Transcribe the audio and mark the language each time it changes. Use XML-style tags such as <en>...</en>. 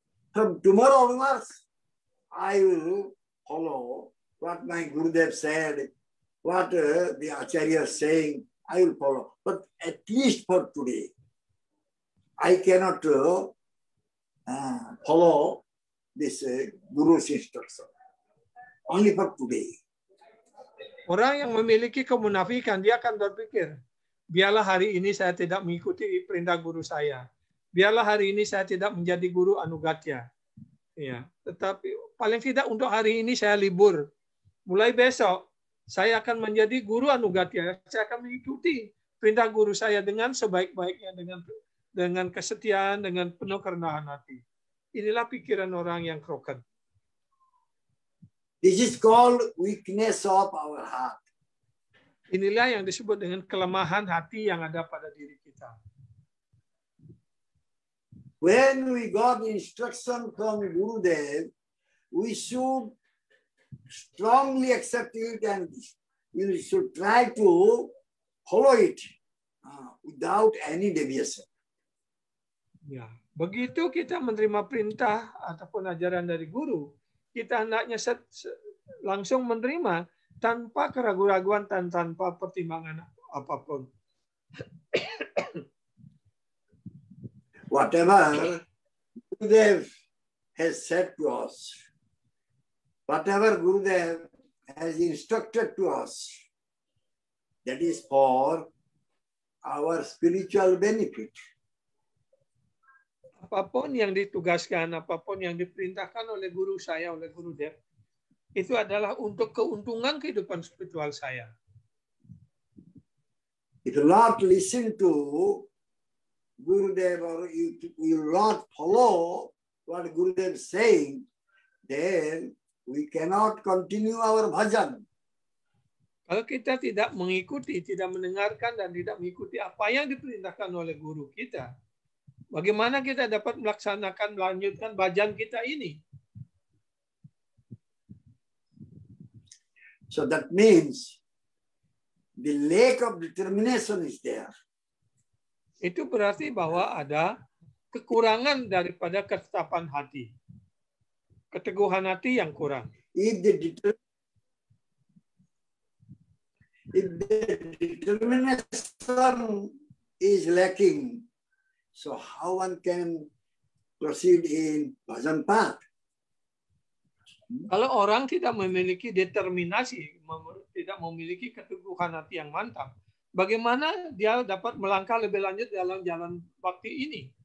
<en>From tomorrow onwards, I will follow what my Gurudev said, what the Acharya is saying, I will follow. But at least for today, I cannot follow this Guru's instruction. Only for today.</en> <id>Orang yang memiliki kemunafikan, dia akan berpikir, biarlah hari ini saya tidak mengikuti perintah Guru saya. Biarlah hari ini saya tidak menjadi Guru Anugatya. Ya. Tetapi paling tidak untuk hari ini saya libur. Mulai besok, saya akan menjadi Guru Anugatya. Saya akan mengikuti perintah Guru saya dengan sebaik-baiknya, dengan kesetiaan, dengan penuh kerendahan hati. Inilah pikiran orang yang</id> <en>crooked. This is called weakness of our heart.</en> <id>Inilah yang disebut dengan kelemahan hati yang ada pada diri kita.</id> <en>When we got instruction from Gurudev, we should strongly accept it and we should try to follow it without any deviation.</en> <id>Ya, begitu kita menerima perintah ataupun ajaran dari guru, kita hendaknya langsung menerima tanpa keraguan-raguan dan tanpa pertimbangan apapun.</id> <en>Whatever Gurudev has said to us, whatever Gurudev has instructed to us, that is for our spiritual benefit.</en> <id>Apapun yang ditugaskan, apapun yang diperintahkan oleh guru saya, oleh guru Dev, itu adalah untuk keuntungan kehidupan spiritual saya.</id> <en>If you not listen to Guru Dev or you not follow what Guru Dev is saying, then we cannot continue our bhajan.</en> <id>Kalau kita tidak mengikuti, tidak mendengarkan dan tidak mengikuti apa yang diperintahkan oleh guru kita, bagaimana kita dapat melaksanakan, melanjutkan bhajan kita ini?</id> <en>So that means the lake of determination is there.</en> <id>itu berarti bahwa ada kekurangan daripada ketetapan hati. Keteguhan hati yang kurang.</id> <en>If the determination is lacking, so how one can proceed in bhajan path?</en> <id>Kalau orang tidak memiliki determinasi, tidak memiliki keteguhan hati yang mantap, bagaimana dia dapat melangkah lebih lanjut dalam jalan bhakti ini?</id>